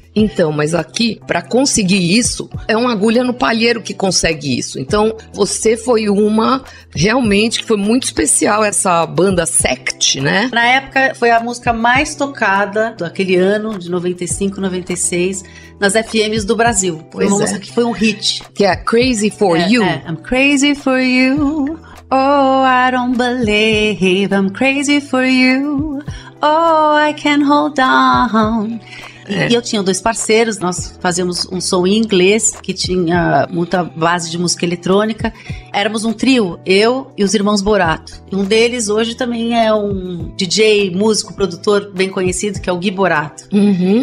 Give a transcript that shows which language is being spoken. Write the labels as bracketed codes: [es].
[pt] Então, mas aqui, para conseguir isso, é uma agulha no palheiro que consegue isso. Então, você foi uma, realmente, que foi muito especial, essa banda Sect, né? Na época, foi a música mais tocada daquele ano, de 95, 96, nas FMs do Brasil. Foi uma música que foi um hit. Que é Crazy For You. [en] I'm crazy for you, oh, I don't believe I'm crazy for you, oh, I can hold on. [pt] E eu tinha dois parceiros, nós fazíamos um som em inglês, que tinha muita base de música eletrônica. Éramos um trio, eu e os irmãos Borato. Um deles hoje também é um DJ, músico, produtor bem conhecido, que é o Gui Borato. Uhum.